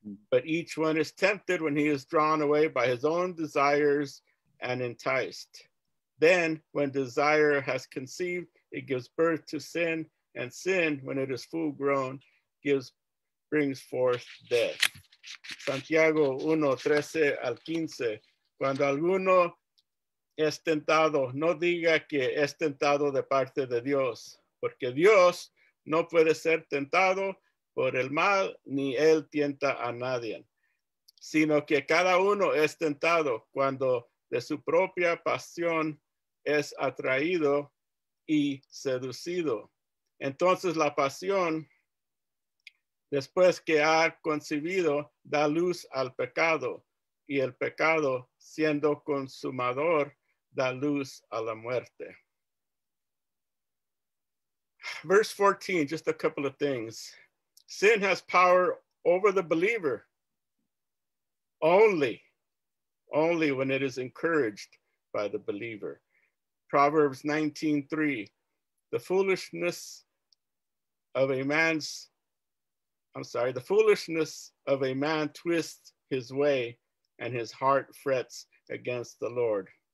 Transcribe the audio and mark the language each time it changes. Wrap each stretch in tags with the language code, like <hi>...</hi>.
<en>But each one is tempted when he is drawn away by his own desires and enticed. Then, when desire has conceived, it gives birth to sin, and sin, when it is full grown, brings forth death.</en> <es>Santiago 1, 13 al 15. Cuando alguno es tentado, no diga que es tentado de parte de Dios, porque Dios no puede ser tentado por el mal, ni él tienta a nadie, sino que cada uno es tentado cuando de su propia pasión es atraído y seducido. Entonces la pasión, después que ha concebido, da luz al pecado, y el pecado, siendo consumador, da luz a la muerte.</es> <en>Verse 14, just a couple of things. Sin has power over the believer only when it is encouraged by the believer. Proverbs 19:3, the foolishness of a man twists his way, and his heart frets against the Lord.</en>